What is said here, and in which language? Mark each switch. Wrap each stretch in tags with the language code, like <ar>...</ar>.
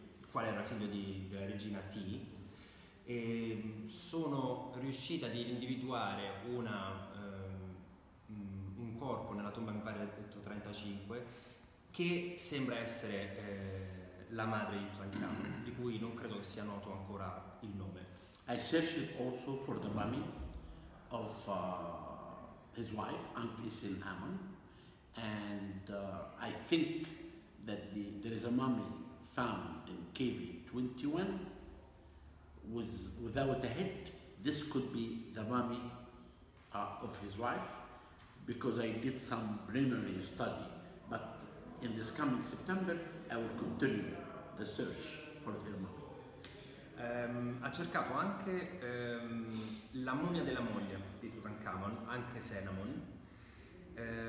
<it>qual era figlio della regina T, e sono riusciti ad individuare un corpo nella tomba, mi pare del 35, che sembra essere la madre di Tutankhamon, di cui non credo che sia noto ancora il nome.</it> <en>I searched also for the mummy of his wife, Ankhesen Amon, and I think that there is a mummy found in KV 21 without a head. This could be the mummy of his wife, because I did some preliminary study. But in this coming September, I will continue the search for the mummy.</en> <it>Ha cercato anche la mummia della moglie di Tutankhamon, anche Senamon.</it>